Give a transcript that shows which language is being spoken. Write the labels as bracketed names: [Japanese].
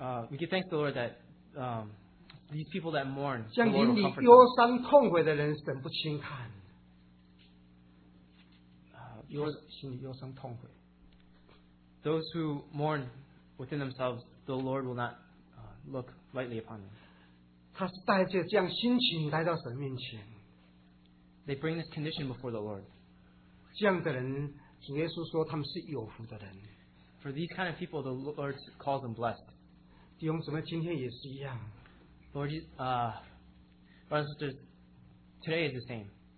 [English] We give thanks to the Lord that these people that mourn, those who mourn within themselves, the Lord will not look lightly upon them. [Chinese] 他带着这样心情来到神面前, [English] they bring this condition before the Lord. [Chinese] 这样的人, 主耶稣说他们是有福的人。 [English] For these kind of people, the Lord calls them blessed. [Chinese] 弟兄姊妹今天也是一样。 [English] Lord, brothers and sisters, today is the same.